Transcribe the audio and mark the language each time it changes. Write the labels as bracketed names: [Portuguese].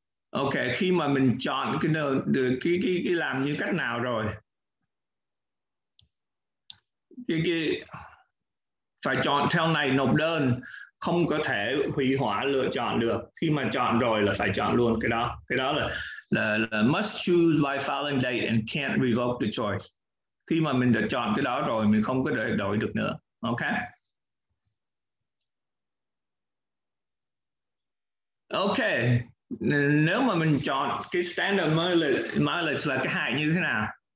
[Vietnamese] Ok, khi mà mình chọn cái làm như cách nào rồi, cái phải chọn theo này, nộp đơn không có thể hủy hoãn lựa chọn được. Khi mà chọn rồi là phải chọn luôn cái đó. Cái đó là [English] must choose by filing date and can't revoke the choice. [Vietnamese] Khi mà mình đã chọn cái đó rồi, mình không có để đổi được nữa. Ok. Ok. Nếu mà mình chọn cái standard mileage là cái hại như thế nào?